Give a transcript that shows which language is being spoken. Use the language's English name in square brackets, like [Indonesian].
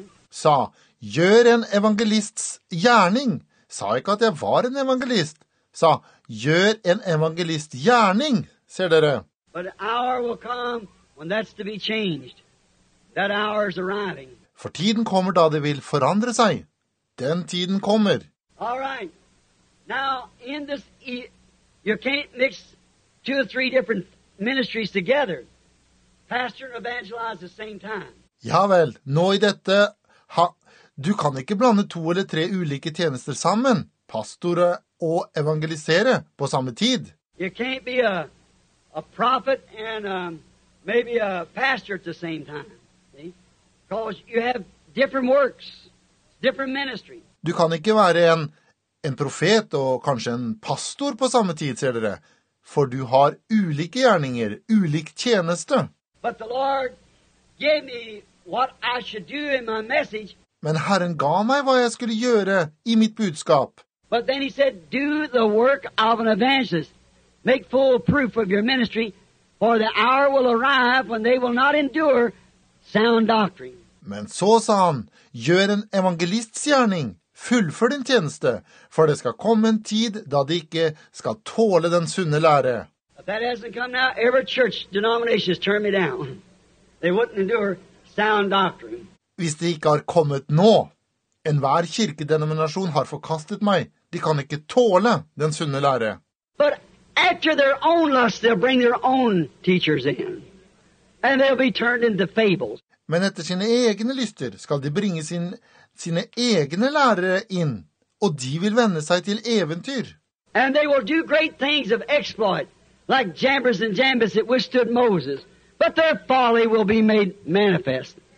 [Norwegian] Sa, gjør en evangelists gjerning. Sa ikke at jeg var en evangelist. Sa, gjør en evangelist gjerning, ser dere. [English] But the hour will come when that's to be changed. That hour is arriving. [Norwegian] For tiden kommer da det vil forandre seg. Den tiden kommer. [English] All right. Now, in this, you can't mix two or three different ministries together. Pastor and evangelize at the same time. [Norwegian] Ja vel, nå i dette, du kan ikke blande to eller tre ulike tjenester sammen, pastore og evangelisere på samme tid. [English] You can't be a prophet and maybe a pastor at the same time. Because you have different works, different ministry. [Norwegian] Du kan ikke være en profet og kanskje en pastor på samme tid, ser dere. For du har ulike gjerninger, ulik tjeneste. [English] But the Lord gave me what I should do in my message. [Norwegian] Men Herren ga meg hva jeg skulle gjøre i mitt budskap. [English] But then he said, do the work of an evangelist. Make full proof of your ministry, for the hour will arrive when they will not endure sound doctrine. [Norwegian] Men så sa han, gjør en evangelistgjerning, fullfør din tjeneste, for det skal komme en tid da de ikke skal tåle den sunne lære. [English] If that hasn't come now, every church denomination has turned me down. They wouldn't endure sound doctrine. [Norwegian] Hvis det ikke har kommet nå, enhver kirkedenominasjon har forkastet meg. De kan ikke tåle den sunne lære. [English] But after their own lust, they'll bring their own teachers in. And they'll be turned into fables. [Norwegian] Men etter sine egne lyster skal de bringe sine egne lærere inn, og de vil vende seg til eventyr. [English] And they will do great things of exploit, like Jambres and Jambes that withstood Moses. But their folly will be made manifest.